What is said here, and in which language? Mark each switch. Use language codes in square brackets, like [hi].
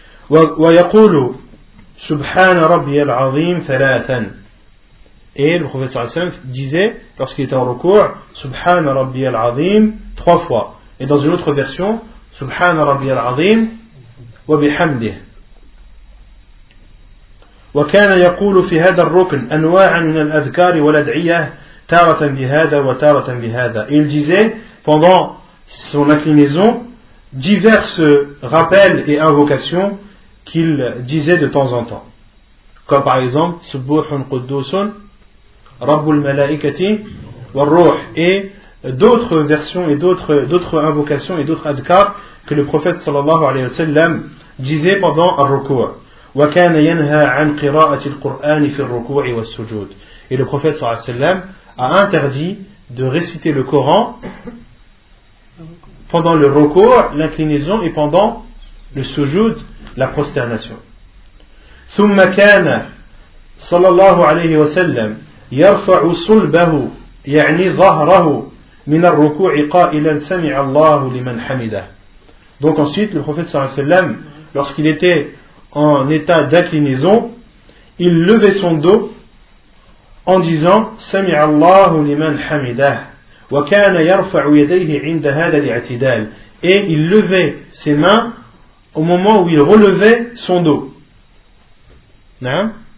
[ar] وَيَقُولُ سُبْحَانَ رَبِّيَ الْعَظِيمِ ثَلَاثًا. [fr] Et le prophète sallallahu alayhi wa sallam disait, lorsqu'il était en recours, [ar] سُبْحَانَ رَبِّيَ الْعَظِيمِ [fr] trois fois. Et dans une autre version, [ar] سبحان ربي العظيم وبحمده. وكان يقول في هذا الركن أنواع من الأذكار والأدعية تارة بهذا وتارة بهذا. [fr] Il disait pendant son inclinaison diverses rappels et invocations qu'il disait de temps en temps. Comme par exemple, Subhun Quddusun, Rabbul Malaikati, Warruh, et d'autres versions et d'autres invocations et d'autres adhkar que le prophète sallallahu alayhi wa sallam disait pendant Ar-Ruku'a. [ar] وكان ينهى عن قراءة القرآن في الركوع والسجود. [fr] Et le prophète sallallahu alayhi wa sallam a interdit de réciter le Coran pendant le ruku, l'inclinaison, et pendant le sujud, la prosternation. [ar] ثم كان صلى الله عليه وسلم يرفع صلبه يعني ظهره من الركوع قائلا سمع الله لمن حمده. [fr] Donc ensuite le prophète sallallahu alayhi wa sallam, lorsqu'il était en état d'inclinaison, il levait son dos en disant [ar] سمع الله لمن حمده وكان يرفع يديه عند هذا الاعتدال. [fr] Et il levait ses mains au moment où il relevait son dos. Non?